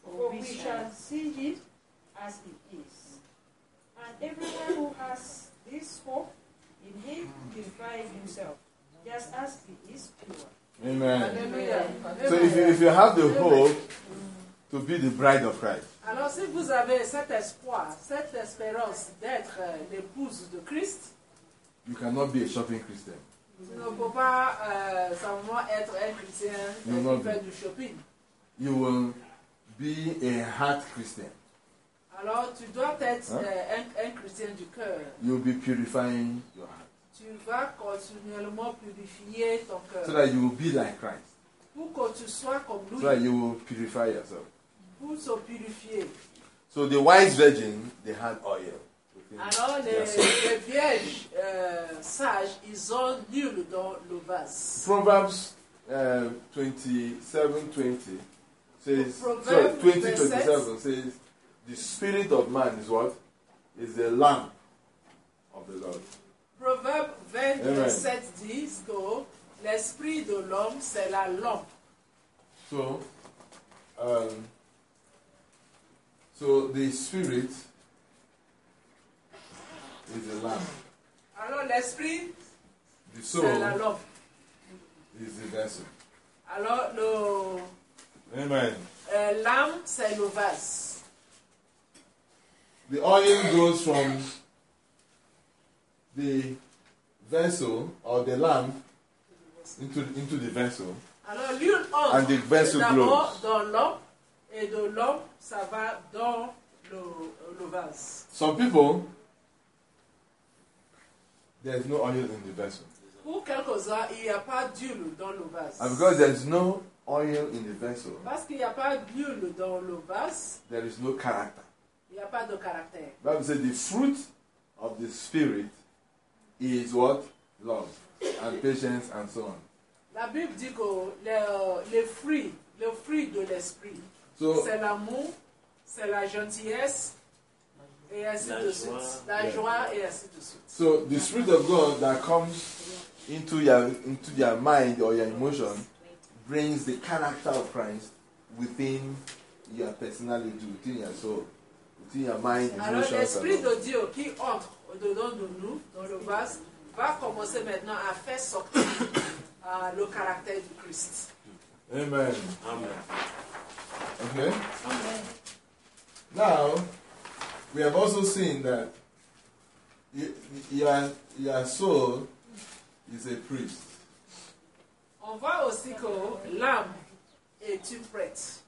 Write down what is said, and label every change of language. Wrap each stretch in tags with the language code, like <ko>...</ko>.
<en>We shall see him as he is. And everyone who has this hope in him purifies himself, just as he is pure. Amen. Hallelujah. So if you have the hope to be the bride of Christ.</en> <fr>Alors si vous avez cet espoir, cette espérance d'être l'épouse de Christ,</fr> <en>you cannot be a shopping Christian.</en> <fr>Vous ne pouvez pas simplement être un chrétien qui fait du shopping.</fr> <en>You will be a heart Christian.</en> <fr>Alors, tu dois être un chrétien du cœur.</fr> <en>You'll be purifying your heart.</en> <fr>Tu vas continuellement purifier ton cœur.</fr> <en>So that you will be like Christ.</en> <fr>Pour que tu sois comme lui.</fr> <en>So that you will purify yourself.</en> <fr>Pour se purifier.</fr> <en>So the wise virgin, they had oil.</en> <fr>Alors, les vierges sages, ils ont l'huile dans le vase.</fr> <en>Proverbs 20:27 says, the spirit of man is what? Is the lamp of the Lord. Proverbs 27 says that</en> <fr>l'esprit de l'homme c'est la lampe.</fr> <en>So, the spirit is the lamp.</en> <fr>Alors l'esprit,</fr> <en>the soul,</en> <fr>c'est la lampe.</fr> <en>Is the vessel.</en> <fr>Alors le.</fr> <en>Amen.</en> <fr>L'âme c'est le vase.</fr> <en>The oil goes from the vessel or the lamp into the vessel.</en> <fr>Alors, l'huile entre</fr> <en>and the vessel glows.</en> <fr>Dans l'homme, et de l'homme, ça va dans le vase.</fr> <en>Some people, there is no oil in the vessel.</en> <fr>Pour quelques-uns, il n'y a pas d'huile dans le vase.</fr> <en>And because there is no oil in the vessel,</en> <fr>parce qu'il n'y a pas d'huile dans le vase,</fr> <en>there is no character.</en> <fr>Il n'y a pas de caractère.</fr> <en>The Bible says the fruit of the Spirit is what? Love and patience and so on.</en> <fr>La Bible dit que le fruit de l'esprit,</fr> <en>so,</en> <fr>c'est l'amour, c'est la gentillesse, et ainsi de suite. La joie, et ainsi de suite.</fr> <en>So, the Spirit of God that comes into your mind or your emotion brings the character of Christ within your personality, within your soul, within your mind, emotions.</en> <fr>Alors, l'Esprit de Dieu qui entre au-dedans de nous, dans le vase, va commencer maintenant à faire sortir le caractère du Christ.</fr> <en>Amen. Amen. Okay? Amen. Now, we have also seen that your soul is a priest.</en> <fr>On voit aussi que l'âme est une prêtre.</fr>